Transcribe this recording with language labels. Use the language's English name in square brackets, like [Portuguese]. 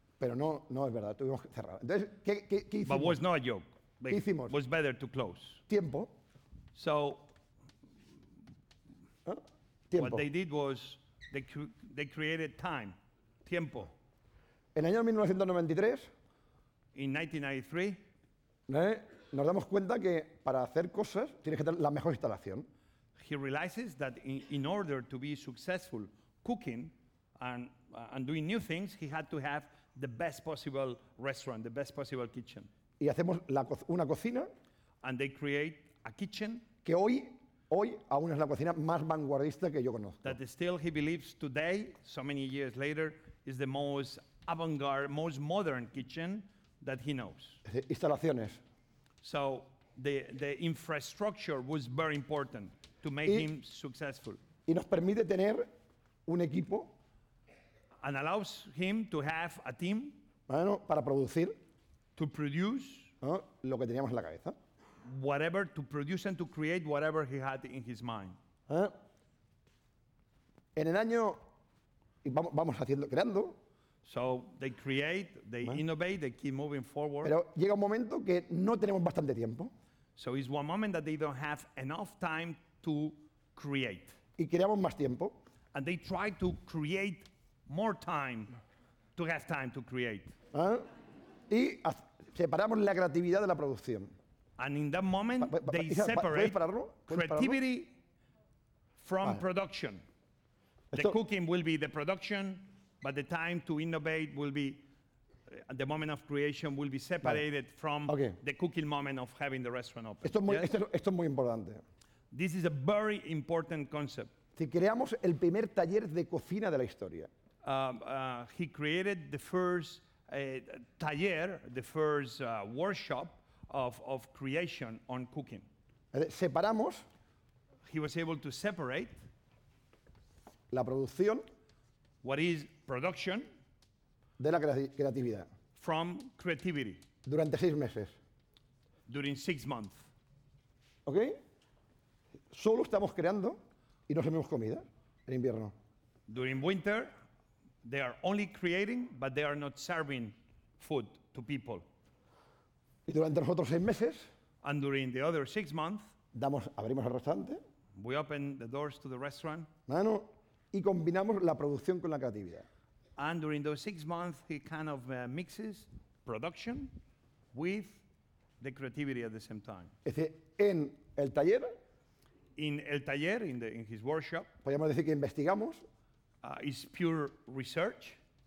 [Spanish] Pero no es verdad. Tuvimos que cerrar. Entonces, ¿qué hicimos? [English] But was not a joke. [Spanish] ¿Qué hicimos? [English] Was better to close. [Spanish] Tiempo. [English] So. [Spanish] Tiempo. [English] What they did was they created time, tiempo. [Spanish] En el año 1993, [English] in 1993, [Spanish] nos damos cuenta que para hacer cosas tienes que tener la mejor instalación. [English] He realizes that in order to be successful cooking and doing new things, he had to have the best possible restaurant, the best possible kitchen. [Spanish] Y hacemos una cocina. [English] And they create a kitchen. [Spanish] Que hoy aún es la cocina más vanguardista que yo conozco. [English] That still he believes today, so many years later, is the most avant-garde, most modern kitchen that he knows. [Spanish] Instalaciones. [English] So the infrastructure was very important to make him successful. [Spanish] Y nos permite tener un equipo. [English] And allows him to have a team. [Spanish] Bueno, para producir. [English] To produce. [Spanish] Lo que teníamos en la cabeza. [English] Whatever, to produce and to create whatever he had in his mind. [Spanish] En el año, vamos haciendo, creando. [English] So they create, they innovate, they keep moving forward. [Spanish] Pero llega un momento que no tenemos bastante tiempo. [English] So it's one moment that they don't have enough time to create. [Spanish] Y creamos más tiempo. [English] And they try to create more time, to have time to create. [Spanish] Y separamos la creatividad de la producción. [English] And in that moment, they separate creativity from production. The cooking will be the production, but the time to innovate will be, the moment of creation will be separated from the cooking moment of having the restaurant open. [Spanish] Esto es muy importante. [English] This is a very important concept. [Spanish] Si creamos el primer taller de cocina de la historia. [English] He created the first taller, the first workshop, of creation on cooking. [Spanish] Separamos. [English] He was able to separate [Spanish] la producción, [English] what is production, [Spanish] de la creatividad, [English] from creativity. [Spanish] Durante 6 meses. [English] During 6 months. Okay. [Spanish] Solo estamos creando y no comemos comida en invierno. [English] During winter, they are only creating, but they are not serving food to people. [Spanish] Y durante los otros 6 meses, [English] and during the other 6 months, [Spanish] abrimos el restaurante. [English] We open the doors to the restaurant. [Spanish] Bueno, y combinamos la producción con la creatividad. [English] And during those 6 months, he kind of mixes production with the creativity at the same time. [Spanish] Es decir, en el taller, [English] in his workshop, [Spanish] podríamos decir que investigamos. [English] Is pure research.